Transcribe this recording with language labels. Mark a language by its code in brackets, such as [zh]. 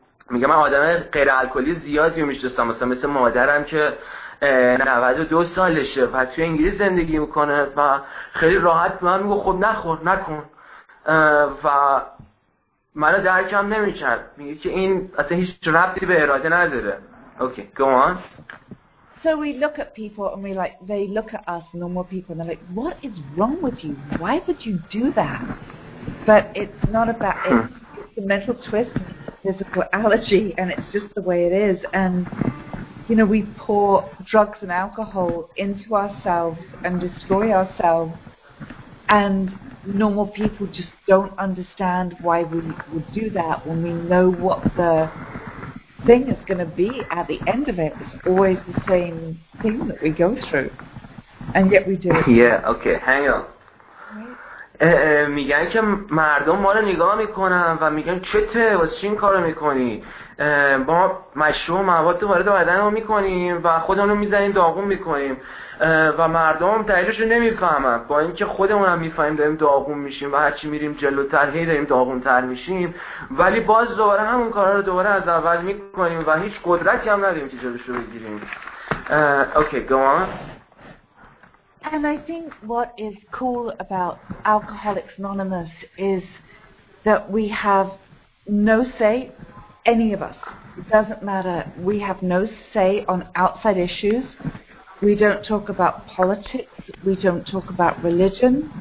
[fa] میگه من آدم غیر الکلی زیادی رو میشناسم، مثل مادرم که 92 سالشه و توی انگلیس زندگی میکنه و خیلی راحت به من میگه خب نخور نکن و منو درکم نمیکرد. میگه که این اصلا هیچ ربطی به اراده نداره. [en] Okay, go on. So we look at people and we like they look at us normal people and they're like what is wrong with you? Why would you do that? But it's not about it's a mental twist, physical allergy, and it's just the way it is. And you know, we pour drugs and alcohol into ourselves and destroy ourselves. And normal people just don't understand why we would do that when we know what the thing is going to be at the end of it. It's always the same thing that we go through, and yet we do it. Yeah. Okay. Hang on. [fa] میگن که مردم ما رو نگاه میکنن و میگن چته واسه چی این کارو میکنی؟ ما مشروع مواد وارد بدن ما میکنیم و خودمون رو میزنیم داغون میکنیم و مردم هم دلیلش رو نمیفهمن، با اینکه خودمون هم میفهمیم داریم داغون میشیم و هرچی میریم جلوتر هی داریم داغون تر میشیم، ولی باز دوباره همون کارا رو دوباره از اول میکنیم و هیچ قدرتی هم نداریم که جلوش رو بگیریم. [en] Okay, go on. And I think what is cool about Alcoholics Anonymous is that we have no say, any of us. It doesn't matter. We have no say on outside issues. We don't talk about politics. We don't talk about religion.